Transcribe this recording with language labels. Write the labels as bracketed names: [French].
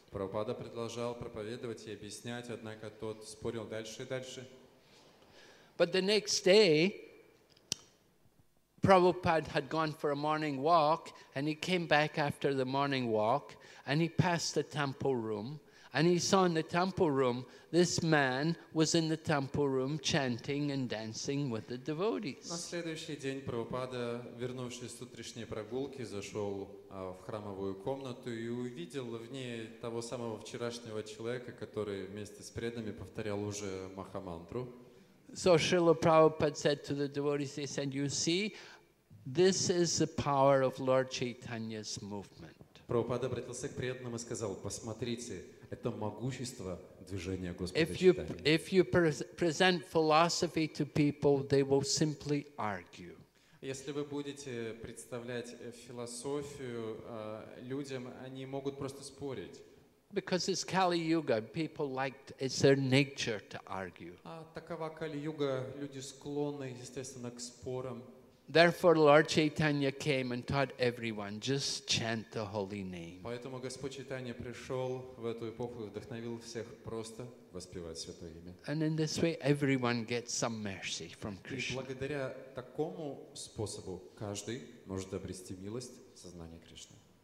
[Russian] Prabhupada продолжал проповедовать и объяснять, однако, тот спорил дальше и дальше. [English] But the next day, Prabhupada had gone for a morning walk, and he came back after the morning walk, and he passed the temple room, and he saw in the temple room, this man was in the temple room chanting and dancing with the devotees. [Russian] На следующий день Прабхупада, вернувшись с утренней прогулки, зашел в храмовую комнату и увидел в ней того самого вчерашнего человека, который вместе с преданными повторял уже Махамантру. [English] So Srila Prabhupada said to the devotees, he said, you see, this is the power of Lord Chaitanya's movement. [Russian] Прабхупада обратился к преданным и сказал: "Посмотрите, это могущество движения Господа Чайтаньи." [English] If you present philosophy to people, they will simply argue. [Russian] Если вы будете представлять философию людям, они могут просто спорить. [English] Because it's Kali Yuga, people like it's their nature to argue. [Russian] А такова Кали Юга, люди склонны, естественно, к спорам. [English] Therefore, Lord Chaitanya came and taught everyone, just chant the holy name. [Russian] Поэтому Господь Чайтанья пришел в эту эпоху и вдохновил всех просто воспевать святое имя. [English] And in this way, everyone gets some mercy from Krishna. [Russian] И благодаря такому способу каждый может обрести милость сознания Кришны.